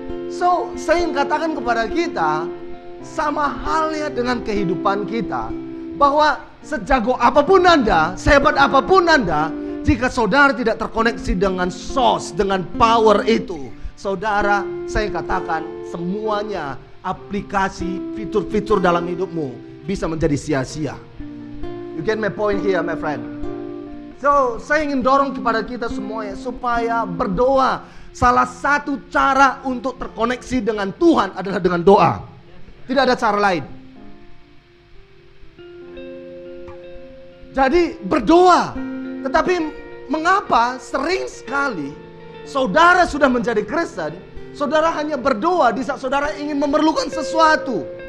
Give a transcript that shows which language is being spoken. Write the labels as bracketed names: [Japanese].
[Indonesian] So, saya ingin katakan kepada kita, sama halnya dengan kehidupan kita, bahwa sejago apapun Anda, sehebat apapun Anda, jika saudara tidak terkoneksi dengan source, dengan power itu, saudara, saya katakan semuanya aplikasi, fitur-fitur dalam hidupmu bisa menjadi sia-sia. [English] You get my point here, my friend. [Indonesian] So, saya ingin dorong kepada kita semuanya supaya berdoa. Salah satu cara untuk terkoneksi dengan Tuhan adalah dengan doa. Tidak ada cara lain. Jadi berdoa. Tetapi mengapa sering sekali saudara sudah menjadi Kristen, saudara hanya berdoa di saat saudara ingin memerlukan sesuatu.